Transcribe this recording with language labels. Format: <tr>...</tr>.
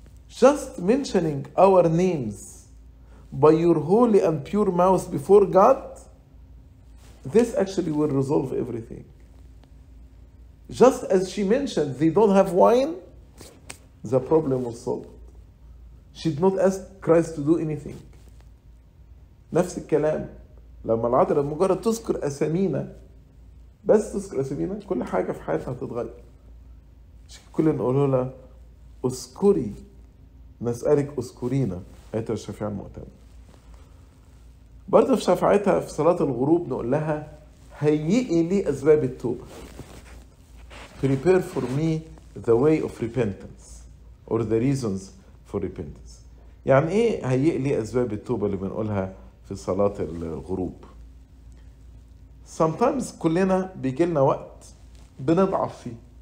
<en>Just mentioning our names by your holy and pure mouth before God, this actually will resolve everything. Just as she mentioned, they don't have wine, the problem was solved. She did not ask Christ to do anything.</en> <ar>نفس الكلام لما العذراء مجرد تذكر أسامينا، بس تذكر أسامينا كل حاجة في حياتها هتتغير. كل نقول لها أذكري، نسألك أذكرينا، آية الشفيعة المؤتمنة. برضه في شفاعتها في صلاة الغروب نقول لها هيئي لي أسباب التوبة. Prepare for me</ar> <en>the way of repentance or the reasons for repentance.</en> <ar>يعني ايه هيئ لي اسباب التوبة اللي بنقولها في صلاة الغروب. Sometimes كلنا بيجي لنا وقت بنضعف فيه.</ar>